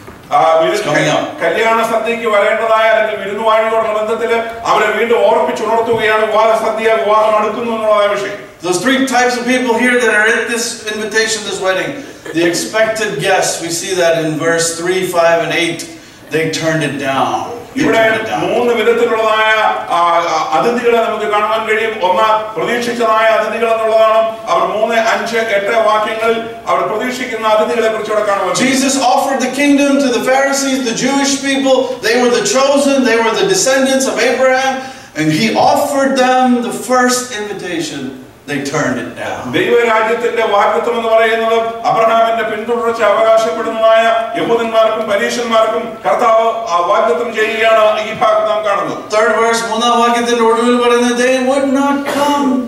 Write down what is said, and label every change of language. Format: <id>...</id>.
<en>Those three types of people here that are at this invitation, this wedding, the expected guests, we see that in verse 3, 5, and 8, they turned it down.</en> <ml>ഇവിടെ മൂന്ന് വിധത്തിലുള്ളതായ അതിഥികളെ നമുക്ക് കാണുവാൻ കഴിയും. ഒന്ന്, പ്രതീക്ഷിച്ചതായ അതിഥികൾ എന്നുള്ളതാണ്. അവർ 3, 5, 8 വാക്യങ്ങളിൽ അവർ പ്രതീക്ഷിക്കുന്ന അതിഥികളെ കുറിച്ച് ഇവിടെ കാണുവാൻ.</ml> <en>Jesus offered the kingdom to the Pharisees, the Jewish people. They were the chosen, they were the descendants of Abraham, and he offered them the first invitation. They turned it down.</en> <ml>ദൈവരാജ്യത്തിന്റെ വാഗ്ദത്തം എന്ന് പറയുന്നത് അബ്രഹാമിന്റെ പിന്തുടർച്ച അവകാശപ്പെടുന്നതായ യഹൂദന്മാർക്കും പരീശന്മാർക്കും കർത്താവ് ആ വാഗ്ദത്തം ചെയ്യുകയാണ്. ഈ ഭാഗം നാം കാണുന്നു.</ml> <en>Third verse,</en> <ml>മൂന്നാം വാക്യത്തിന്റെ ഒടുവിൽ പറയുന്നത്</ml> <en>they would not come.</en>